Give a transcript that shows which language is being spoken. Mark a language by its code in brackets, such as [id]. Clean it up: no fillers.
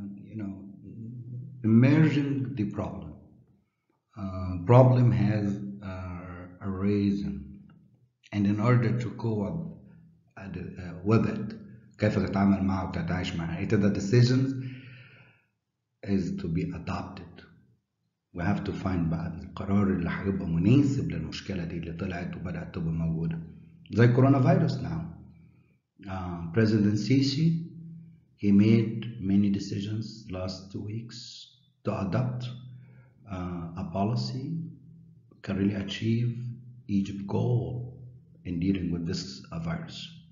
[en] You know, emerging the problem. Problem has a reason, and in order to cope with it, [ar] كيف تتعامل معه وتتعايش معه. [en] It is the decision is to be adopted. We have to find [ar] بعد القرار اللي حيبقى مناسب للمشكلة دي اللي طلعت وبدأت تبقى موجودة. زي كورونا فيروس [en] now. President Sisi, he made many decisions last 2 weeks to adopt a policy can really achieve Egypt's goal in dealing with this virus.